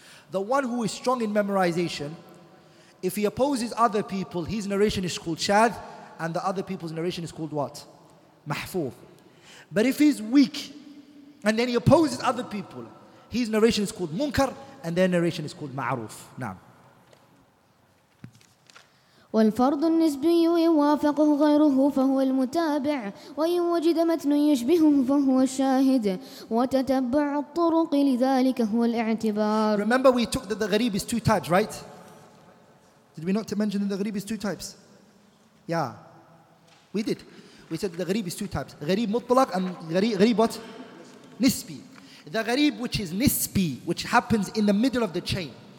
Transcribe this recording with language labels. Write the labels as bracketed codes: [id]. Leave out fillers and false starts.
[en] The one who is strong in memorization, if he opposes other people, his narration is called Shad, and the other people's narration is called what? Mahfuz. But if he's weak, and then he opposes other people, his narration is called Munkar, and their narration is called Ma'ruf. Naam. [ar] والفرض النسبي يوافقه غيره فهو المتابع وإن وجد متن يشبهه فهو الشاهد وتتبع الطرق لذلك هو الاعتبار. [en] Remember we took that the غريب is two types, right? Did we not mention that the غريب is two types? Yeah, we did. We said the غريب is two types. غريب مطلق and غريب what? نسبي. The غريب which is نسبي, which happens in the middle of the chain.